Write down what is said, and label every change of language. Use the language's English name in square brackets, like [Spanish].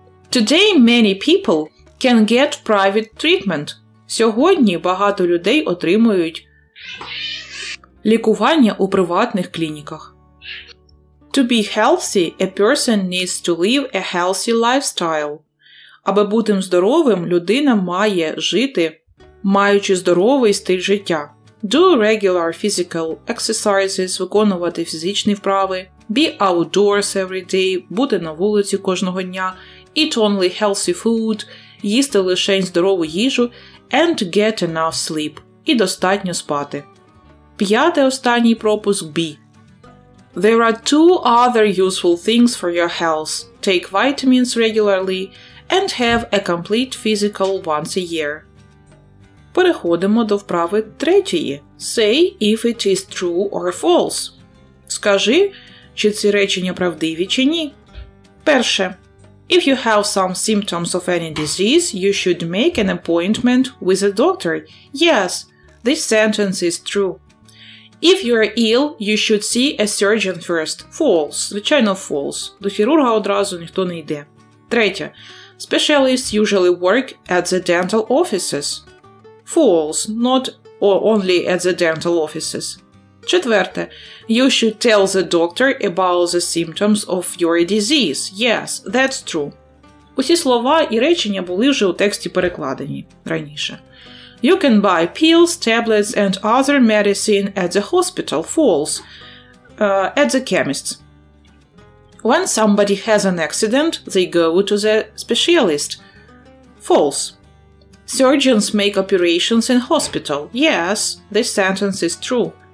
[English] Today many people can get private treatment. [Ukrainian] Сьогодні багато людей отримують лікування у приватних клініках. [English] To be healthy, a person needs to live a healthy lifestyle. [Ukrainian] Аби бути здоровим, людина має жити, маючи здоровий стиль життя. [English] Do regular physical exercises, [Ukrainian] виконувати фізичні вправи. [English] Be outdoors every day, [Ukrainian] бути на вулиці кожного дня. [English] Eat only healthy food, [Ukrainian] їсти лише здорову їжу. [English] And get enough sleep, [Ukrainian] і достатньо спати. П'ятий останній пропуск B. [English] There are two other useful things for your health. Take vitamins regularly and have a complete physical once a year. [Ukrainian] Переходимо до вправи третьої. Say if it is true or false. Скажи, чи ці речення правдиві чи ні. Перше. [English] If you have some symptoms of any disease, you should make an appointment with a doctor. Yes, this sentence is true. If you are ill, you should see a surgeon first. False. [Ukrainian] Звичайно, [English] false. [Ukrainian] До хірурга одразу ніхто не йде. Третє. [English] Specialists usually work at the dental offices. False. Not only at the dental offices. [Ukrainian] Четверте. [English] You should tell the doctor about the symptoms of your disease. Yes, that's true. [Ukrainian] Усі слова і речення були вже у тексті перекладені раніше. [English] You can buy pills, tablets and other medicine at the hospital, false, at the chemist's. When somebody has an accident, they go to the specialist, false. Surgeons make operations in hospital, yes, this sentence is true.